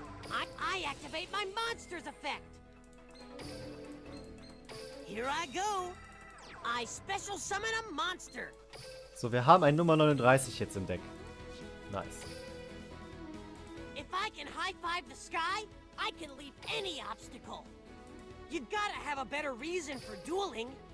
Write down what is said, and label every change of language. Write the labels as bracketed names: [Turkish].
[English] I activate my monster's effect. Here I go. I special summon a monster. [German] So, wir haben ein Nummer 39 jetzt im Deck. [English] Nice. If I can high-five the sky, I can leap any obstacle. You gotta have a better reason for dueling.